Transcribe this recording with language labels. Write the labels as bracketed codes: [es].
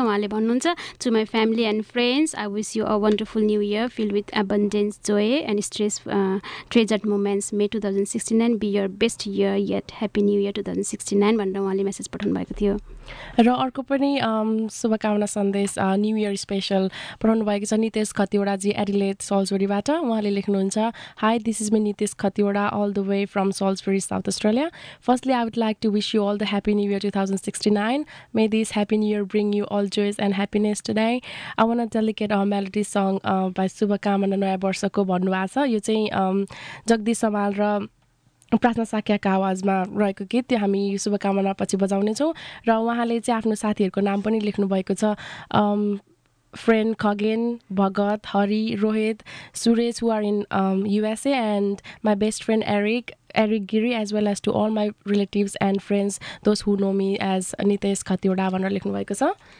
[ne] उहाँले भन्नुहुन्छ, [en] To my family and friends, I wish you a wonderful new year fill with abundance joy and stress treasured moments. May 2069 be your best year yet, happy new year 2069 [ne] भनेर उहाँले message पठाउनु भएको थियो. र अर्को पनि शुभकामना सन्देश न्यू इयर स्पेसल पठाउनु भएको छ नितेश खतिवडाजी एडिलेड सल्सबरीबाट. उहाँले लेख्नुहुन्छ, high, [en] this is me Nitesh Khatiwada all the way from Salisbury, South Australia. Firstly, I would like to wish you all the Happy New Year 2069. May this Happy New Year bring you all joys and happiness today. I want to dedicate a melody song by [ne] Subhakamana Naya Barsha ko bhanu bhasa. Yo chai Jagdish Samal ra प्रार्थना साक्याको आवाजमा रहेको गीत त्यो हामी शुभकामना पछि बजाउनेछौँ. र उहाँले चाहिँ आफ्नो साथीहरूको नाम पनि लेख्नुभएको छ, [en] friend Khagen, Bhagat, Hari, Rohit, Suresh who are in USA, and my best friend Eric Giri, as well as to all my relatives and friends those who know me as Nitesh Khatiwada [ne] भनेर लेख्नुभएको छ.